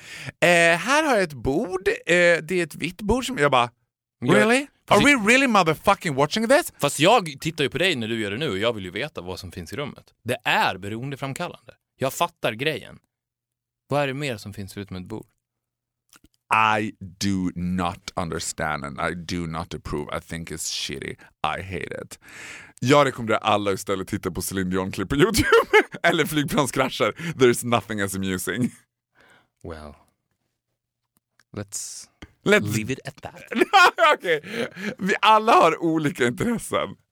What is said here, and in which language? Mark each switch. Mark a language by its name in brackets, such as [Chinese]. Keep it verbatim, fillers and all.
[Swedish] Eh, här har jag ett bord. Eh, det är ett vitt bord som jag bara... [English] Really? Are we really motherfucking watching this? [Swedish] Fast jag tittar ju på dig när du gör det nu och jag vill ju veta vad som finns i rummet. Det är beroendeframkallande. Jag fattar grejen. Vad är det mer som finns utom ett bord? [English] I do not understand and I do not approve. I think it's shitty. I hate it. [Swedish] Jag rekommenderar alla istället titta på Celine Dion-klipp på YouTube. Eller flygplanskrascher. [English] There's nothing as amusing. Well, let's, let's... leave it at that. [Swedish] Okej, okay. Vi alla har olika intressen.